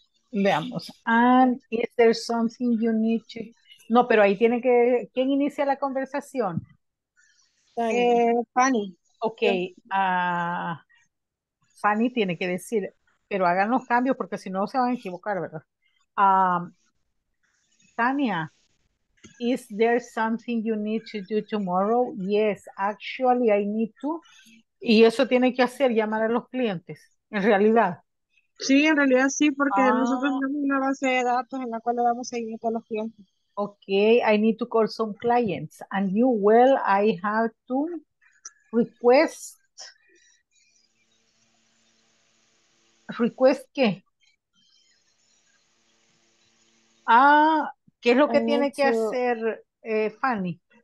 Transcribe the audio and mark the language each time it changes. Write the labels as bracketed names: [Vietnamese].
[English] Veamos. Is there something you need to? [Spanish] No, pero ahí tiene que. ¿Quién inicia la conversación? Fanny. [English] Okay. [Spanish] Fanny tiene que decir, pero hagan los cambios porque si no se van a equivocar, ¿verdad? Tania. [English] Is there something you need to do tomorrow? Yes, actually I need to. [Spanish] Y eso tiene que hacer, llamar a los clientes, en realidad. Sí, en realidad sí, porque nosotros tenemos una base de datos en la cual le damos seguimiento a los clientes. [English] Okay, I need to call some clients. And you, well, I have to request [Spanish] qué? ¿Qué es lo que tiene que hacer Fanny?